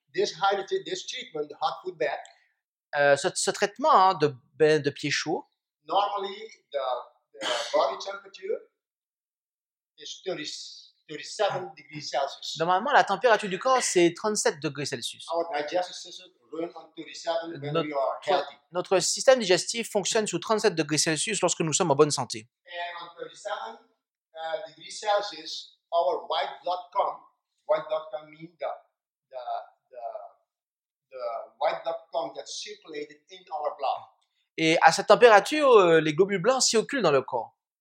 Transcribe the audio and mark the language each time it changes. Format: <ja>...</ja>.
<en>This treatment, the hot foot bath.</en> <fr>Ce traitement de pied chaud.</fr> <en>Normally the body temperature is 30, 37 degrees Celsius.</en> <fr>Normalement, la température du corps, c'est 37 degrés Celsius.</fr> <en>Our digestive system runs on 37 when we are healthy.</en> <fr>Notre système digestif fonctionne sous 37 degrés Celsius lorsque nous sommes en bonne santé.</fr> <en>And on 37 degrees Celsius, our white blood count, means the white blood count that circulated in our blood.</en> <fr>Et à cette température, les globules blancs circulent dans le corps.</fr>